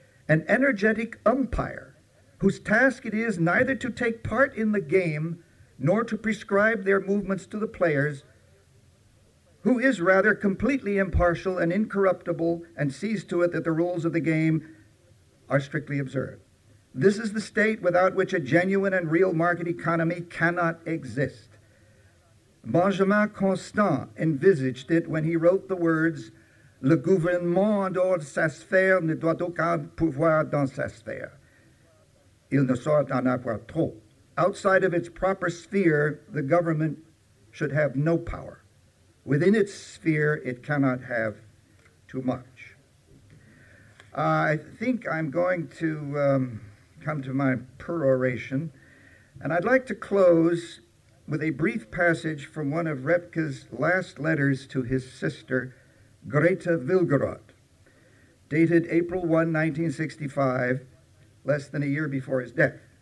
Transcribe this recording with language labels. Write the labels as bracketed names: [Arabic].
[English] An energetic umpire, whose task it is neither to take part in the game nor to prescribe their movements to the players, who is rather completely impartial and incorruptible and sees to it that the rules of the game are strictly observed. This is the state without which a genuine and real market economy cannot exist. [French] Benjamin Constant envisaged it when he wrote the words, le gouvernement en dehors de sa sphère ne doit aucun pouvoir dans sa sphère. Il ne saurait en avoir trop. [English] Outside of its proper sphere, the government should have no power. Within its sphere, it cannot have too much." I think I'm going to come to my peroration, and I'd like to close with a brief passage from one of Repka's last letters to his sister, Greta Vilgerot, dated April 1, 1965, less than a year before his death.